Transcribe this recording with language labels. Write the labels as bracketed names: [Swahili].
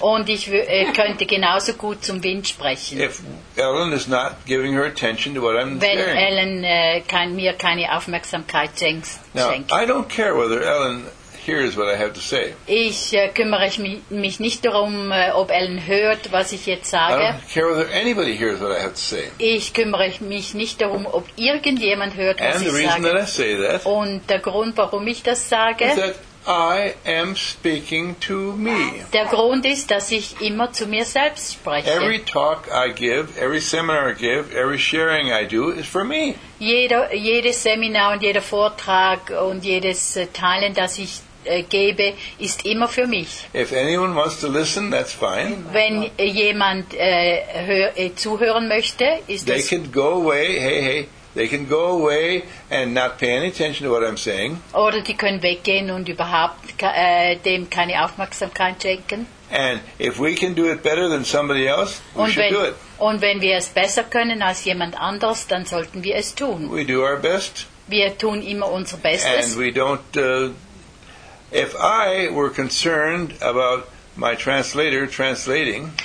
[German] Und ich könnte genauso gut zum Wind sprechen. [English] If Ellen is not giving her attention to what I'm saying. [German] Wenn Ellen mir keine Aufmerksamkeit schenkt. [English] Now, I don't care whether Ellen hears what I have to say. [German] Ich kümmere mich nicht darum, ob Ellen hört, was ich jetzt sage. [English] I don't care whether anybody hears what I have to say. [German] Ich kümmere mich nicht darum, ob irgendjemand hört, was [English] and [German] ich sage. [English] And the reason that I say that. [German] Und der Grund, warum ich das sage, [English] is that I am speaking to me. [German] Der Grund ist, dass ich immer zu mir selbst spreche. [English] Every talk I give, every seminar I give, every sharing I do is for me. [German] Jedes Seminar und jeder Vortrag und jedes Teilen, das ich gebe, ist immer für mich. [English] If anyone wants to listen, that's fine. [German] Wenn jemand zuhören möchte, ist [English] they can go away. Hey. They can go away and not pay any attention to what I'm saying. [German] Oder die können weggehen und überhaupt dem keine Aufmerksamkeit schenken. [English] And if we can do it better than somebody else, we should do it. [German] Und wenn wir es besser können als jemand anders, dann sollten wir es tun. [English] We do our best. [German] Wir tun immer unser Bestes. [English] And we don't. If I were concerned about my translator translating.